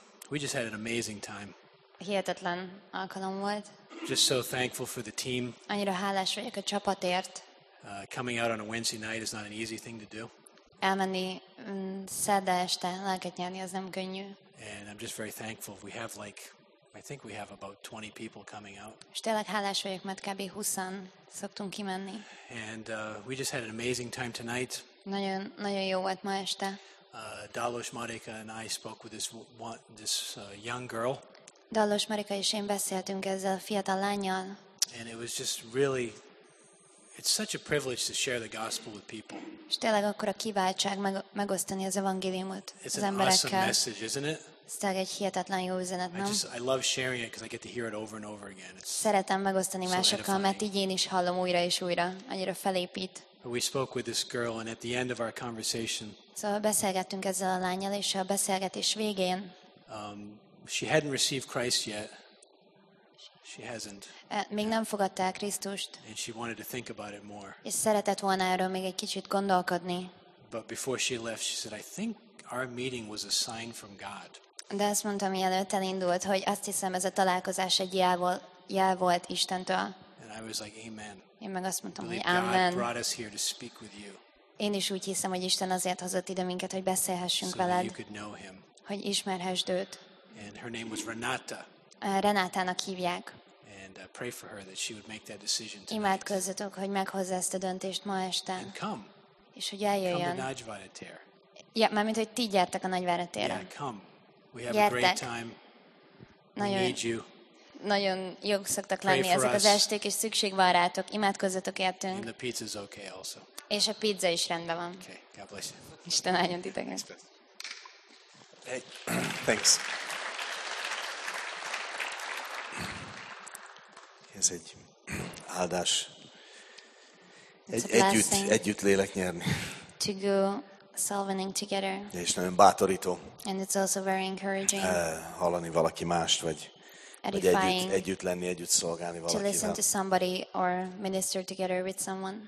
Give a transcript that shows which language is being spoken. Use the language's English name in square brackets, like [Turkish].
[English] We just had an amazing time. [Hungarian] Hihetetlen alkalom volt. [English] Just so thankful for the team. [Hungarian] Annyira hálás vagyok a csapatért. [English] Coming out on a Wednesday night is not an easy thing to do. [Hungarian] Elmenni szerda este lelket nyerni, az nem könnyű. [English] And I'm just very thankful. We have like, I think we have about 20 people coming out. [Hungarian] És tényleg hálás vagyok, mert kb. 20-an szoktunk kimenni. [English] And we just had an amazing time tonight. [Hungarian] Nagyon, nagyon jó volt ma este. [English] Dalos Marika and I spoke with this young girl. [Hungarian] Dalos Marika és én beszéltünk ezzel a fiatal lányjal. [English] And it was just really, it's such a privilege to share the gospel with people. [Hungarian] És tényleg akkora kiváltság megosztani az evangéliumot az emberekkel. [English] It's an awesome message, isn't it? [Hungarian] Ez tényleg egy hihetetlen jó üzenet, nem? [English] I love sharing it because I get to hear it over and over again. [Hungarian] Szeretem megosztani másokkal, mert így én is hallom újra és újra, annyira felépít. [English] We spoke with this girl and at the end of our conversation. [Hungarian] Szóval beszélgettünk ezzel a lányjal, és a beszélgetés végén. [English] She hadn't received Christ yet. She hasn't. [Hungarian] Még nem fogadta el Krisztust. [English] And she wanted to think about it more. [Hungarian] És szeretett volna erről még egy kicsit gondolkodni. [English] But before she left, she said, "I think our meeting was a sign from God." [Hungarian] De azt mondtam, mielőtt elindult, hogy azt hiszem, ez a találkozás egy jel volt Istentől. [English] And I was like, amen. [Hungarian] Én meg azt mondtam, hogy amen. [English] God brought us here to speak with you. [Hungarian] Én is úgy hiszem, hogy Isten azért hozott ide minket, hogy beszélhessünk [English] so [Hungarian] veled, [English] you could know him. [Hungarian] Hogy ismerhessd őt. [English] And her name was Renata. [Hungarian] Renátának hívják. [English] And pray for her that she would make that decision tonight. [Hungarian] Imádkozzatok, hogy meghozza ezt a döntést ma este. [English] And come. [Hungarian] És hogy eljöjjön. [English] Come to Nagyvárad tér. [Hungarian] Ja, mármint, hogy ti gyertek a Nagyvárad térre. [English] Yeah, come. We have [Hungarian] gyertek. [English] A great time. We [Hungarian] nagyon, [English] need you. [Hungarian] Nagyon jók szoktak lenni ezek az esték, és szükség van rátok. Imádkozzatok értünk. [English] And the pizza's okay also. [Hungarian] És a pizza is rendben van. [English] Okay. God bless you. [Hungarian] Isten áldjon titeket. [English] Hey, thanks. [Hungarian] Ez egy áldás. Együtt lélek nyerni. [English] To go salvaging together. [Hungarian] És nagyon bátorító. [English] And it's also very encouraging. [Hungarian] Hallani valaki mást, vagy együtt lenni, együtt szolgálni valakivel. [English] To listen to somebody or minister together with someone.